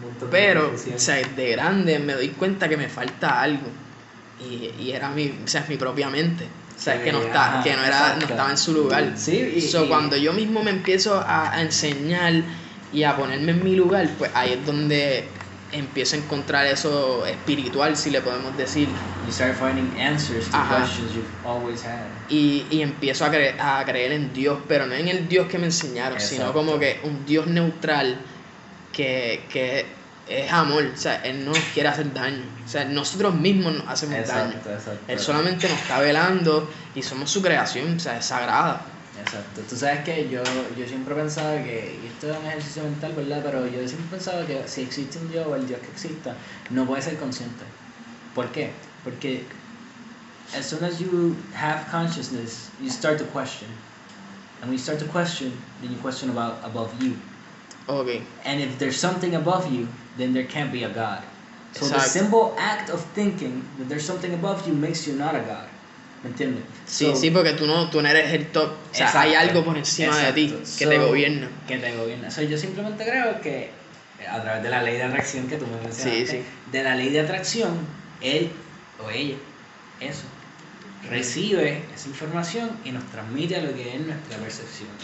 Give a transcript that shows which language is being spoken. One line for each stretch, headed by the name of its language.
Spanish: Pero, o sea, de grande me doy cuenta que me falta algo y era mi, o sea, mi propia mente. O sea, no estaba en su lugar. Sí, cuando yo mismo me empiezo a enseñar y a ponerme en mi lugar, pues ahí es donde empiezo a encontrar eso espiritual, si le podemos decir.
English: You start finding answers to questions you've always had.
Spanish: Y empiezo a creer en Dios, pero no en el Dios que me enseñaron, exacto, sino como que un Dios neutral que es amor. O sea, Él no nos quiere hacer daño. O sea, nosotros mismos nos hacemos daño. Exacto. Él solamente nos está velando y somos su creación. O sea, es sagrada. Exacto. Tú sabes que yo siempre pensaba que... Y esto es un ejercicio mental, ¿verdad? Pero yo siempre pensaba que si existe un Dios o el Dios que exista, no puede ser consciente. ¿Por qué? Porque
English: as soon as you have consciousness, you start to question. And when you start to question, then you question about above you. Okay. And if there's something above you, then there can't be a God. So
Spanish: exacto,
English: the simple act of thinking that there's something above you makes you not a God.
Spanish: ¿Me entiendes? Sí, so, sí, porque tú no eres el top. O sea, exacto, hay algo por encima, exacto, de ti que
English: so,
Spanish: te gobierna. Que te gobierna. So, yo simplemente creo que a través de la ley de atracción que tú me mencionaste, sí, sí, de la ley de atracción, él o ella, eso, recibe esa información y nos transmite a lo que es nuestra percepción.